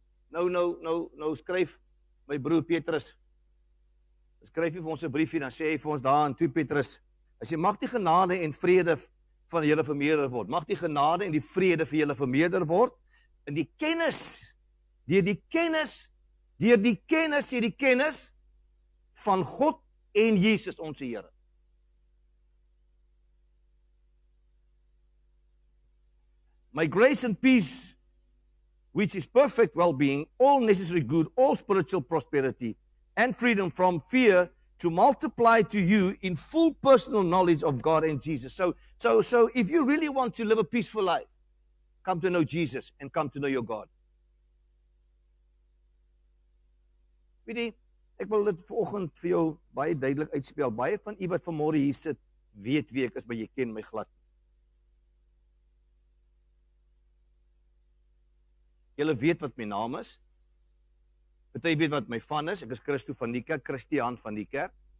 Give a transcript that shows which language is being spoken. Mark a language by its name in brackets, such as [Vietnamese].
[Afrikaans] Nou skryf my broer Petrus, skryf jy vir ons 'n briefie, dan sê jy vir ons daar in 2 Petrus, as jy mag die genade en vrede van julle vermeerder word, mag die genade en die vrede van julle vermeerder word, en die kennis, deur die kennis van God en Jesus ons Here. [English] My grace and peace, which is perfect well-being, all necessary good, all spiritual prosperity, and freedom from fear to multiply to you in full personal knowledge of God and Jesus. So if you really want to live a peaceful life, come to know Jesus and come to know your God. [Afrikaans] Weetie, ek wil dit vanoggend vir jou baie duidelik uitspel. Baie van u wat vanmôre hier sit, weet wie ek is, maar jy ken my glad nie. Julle weet wat my naam is. Party weet wat my van is, ek is Christo van die kerk, Christiaan van die kerk.